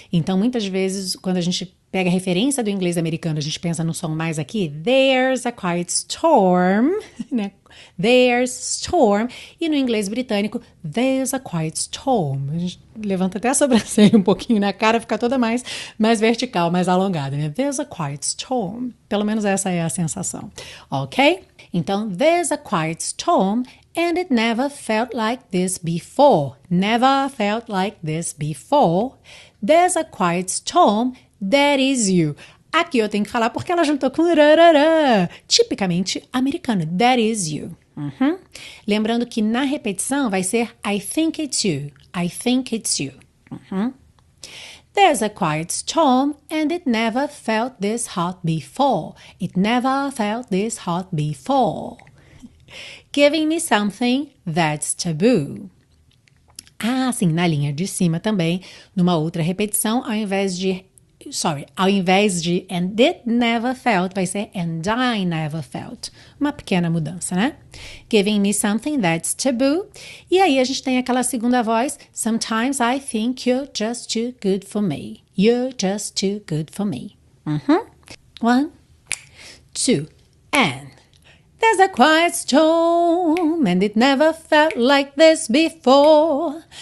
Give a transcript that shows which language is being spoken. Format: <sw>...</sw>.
<pt>Então, muitas vezes, quando a gente pega a referência do inglês americano, a gente pensa no som mais aqui,</pt> <en>there's a quiet storm,</en> <pt>né?</pt> <en>There's storm.</en> <pt>E no inglês britânico,</pt> <en>there's a quiet storm.</en> <pt>A gente levanta até a sobrancelha um pouquinho na cara, fica toda mais vertical, mais alongada, né?</pt> <en>There's a quiet storm.</en> <pt>Pelo menos essa é a sensação, ok? Então,</pt> <en>there's a quiet storm and it never felt like this before. Never felt like this before. There's a quiet storm, that is you.</en> <pt>Aqui eu tenho que falar porque ela juntou com rarará, tipicamente americano,</pt> <en>that is you. Uhum.</en> <pt>Lembrando que na repetição vai ser</pt> <en>I think it's you, I think it's you. Uhum. There's a quiet storm and it never felt this hot before. It never felt this hot before. giving me something that's taboo.</en> <pt>Ah, sim, na linha de cima também, numa outra repetição, ao invés de, sorry, ao invés de</pt> <en>and it never felt,</en> <pt>vai ser</pt> <en>and I never felt.</en> <pt>Uma pequena mudança, né?</pt> <en>Giving me something that's taboo.</en> <pt>E aí a gente tem aquela segunda voz,</pt> <en>sometimes I think you're just too good for me. You're just too good for me. Uh-huh. One, two, and. There's a quiet storm, and it never felt like this before.</en>